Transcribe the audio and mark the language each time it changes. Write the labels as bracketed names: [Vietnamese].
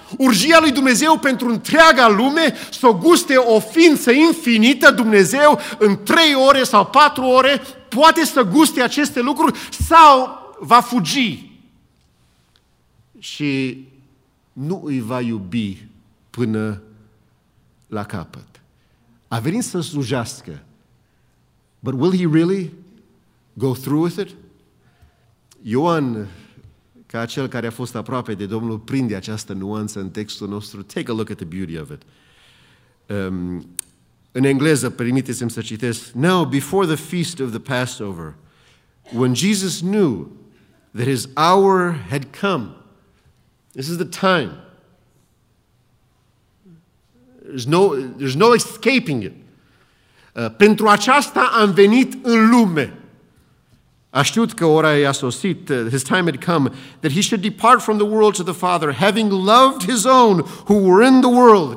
[Romanian] Urgia lui Dumnezeu pentru întreaga lume? Să guste o ființă infinită, Dumnezeu, în 3 ore sau 4 ore? Poate să guste aceste lucruri? Sau va fugi? Și nu îi va iubi până la capăt. A venit să slujească. [English] But will he really go through with it? [Romanian] Ioan, ca cel care a fost aproape de Domnul, prinde această nuanță în textul nostru. [English] Take a look at the beauty of it. [Romanian] În engleză, permiteți-mi să citesc. [English] Now, before the feast of the Passover, when Jesus knew that his hour had come, this is the time. There's no escaping it. [Romanian] Pentru aceasta am venit în lume. A știut că ora i-a sosit, [English] his time had come, that he should depart from the world to the Father, having loved his own who were in the world.